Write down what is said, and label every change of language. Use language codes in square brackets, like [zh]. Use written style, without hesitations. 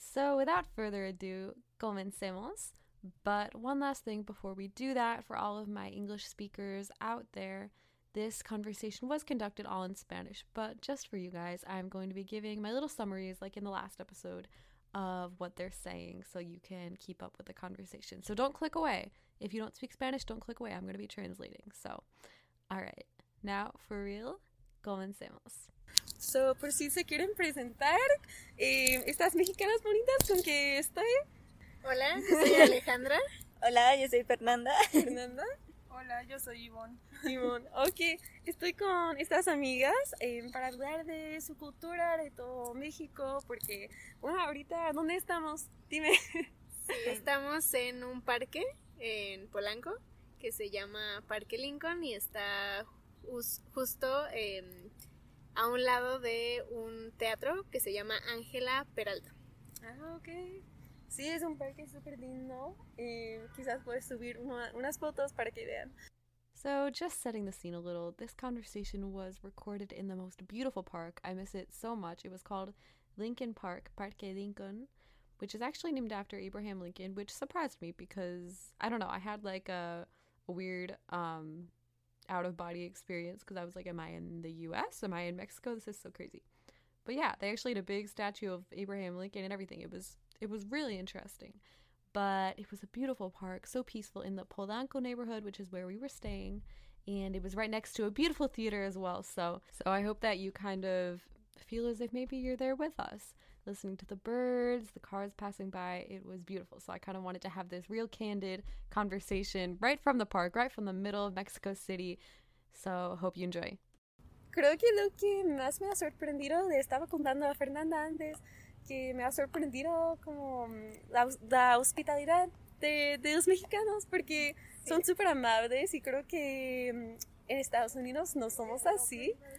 [en] So without further ado, comencemos. But one last thing before we do that, for all of my English speakers out there, this conversation was conducted all in Spanish, but just for you guys, I'm going to be giving my little summaries, like in the last episode, of what they're saying so you can keep up with the conversation. So don't click away. If you don't speak Spanish, don't click away. I'm going to be translating. So, all right. Now, for real, comencemos. [es] So, por si se quieren presentar, estas mexicanas bonitas con que estoy. Hola, soy Alejandra. Hola, yo soy Fernanda. Fernanda. Hola, yo soy Yvonne. Yvonne, ok. Estoy con estas amigas para hablar de su cultura, de todo México, porque, bueno, ahorita, ¿dónde estamos? Dime. Sí, estamos en un parque en Polanco que se llama Parque Lincoln y está justo a un lado de un teatro que se llama Ángela Peralta. Ah, ok. Sí, es un parque súper lindo. Quizás puedes subir unas fotos para que vean. [en] So, just setting the scene a little, this conversation was recorded in the most beautiful park. I miss it so much. It was called Lincoln Park, Parque Lincoln, which is actually named after Abraham Lincoln, which surprised me because, I don't know, I had like a weird out-of-body experience because I was like, am I in the U.S.? Am I in Mexico? This is so crazy. But yeah, they actually had a big statue of Abraham Lincoln and everything. It was really interesting, but it was a beautiful park, so peaceful in the Polanco neighborhood, which is where we were staying, and it was right next to a beautiful theater as well. So I hope that you kind of feel as if maybe you're there with us, listening to the birds, the cars passing by. It was beautiful. So I kind of wanted to have this real candid conversation right from the park, right from the middle of Mexico City. So hope you enjoy. [es] Creo que lo que más me ha sorprendido, le estaba contando a Fernanda antes, que me ha sorprendido como la hospitalidad de los mexicanos, porque sí, son súper amables, y creo que en Estados Unidos no somos así.